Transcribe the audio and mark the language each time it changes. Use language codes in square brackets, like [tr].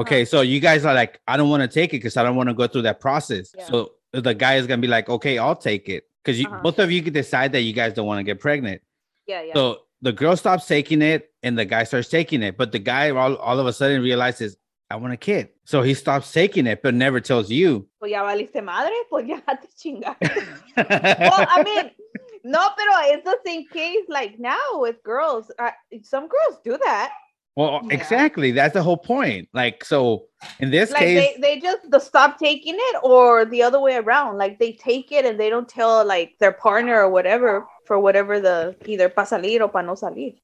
[en] Okay, so you guys are like, I don't want to take it because I don't want to go through that process. Yeah. So the guy is going to be like, okay, I'll take it. Because uh-huh. Both of you can decide that you guys don't want to get pregnant. Yeah, yeah. So the girl stops taking it and the guy starts taking it. But the guy all of a sudden realizes, I want a kid. So he stops taking it, but never tells you. [es] Pues ya valiste madre, pues ya te chingaste. [en] Well, I mean, no, pero it's the same case like now with girls. Some girls do that. Well, yeah. Exactly. That's the whole point. Like, so in this like case, they just stop taking it, or the other way around. Like, they take it and they don't tell like their partner or whatever, for whatever the either [es] pa salir o pa no salir.